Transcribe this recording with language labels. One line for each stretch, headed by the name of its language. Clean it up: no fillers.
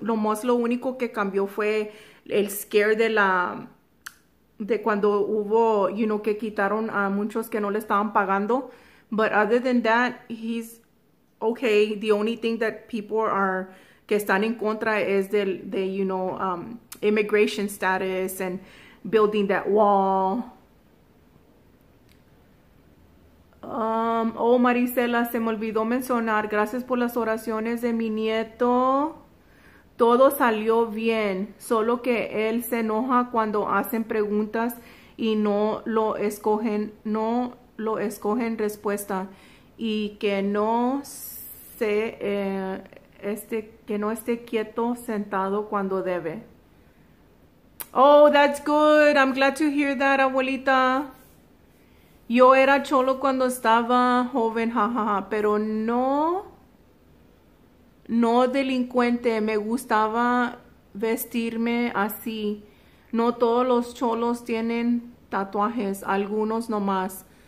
Spanish: Lo único que cambió fue el scare de la de cuando hubo, que quitaron a muchos que no le estaban pagando.
English: But other than that, he's okay. The only thing that people are
Spanish: que están en contra es de
English: immigration status and building that wall.
Spanish: Oh, Marisela, se me olvidó mencionar. Gracias por las oraciones de mi nieto. Todo salió bien, solo que él se enoja cuando hacen preguntas y no lo escogen, no lo escogen respuesta. Y que no se que no esté quieto sentado cuando debe.
English: Oh, that's good. I'm glad to hear that, abuelita.
Spanish: Yo era cholo cuando estaba joven, jajaja, pero no delincuente. Me gustaba vestirme así. No todos los cholos tienen tatuajes, algunos nomás.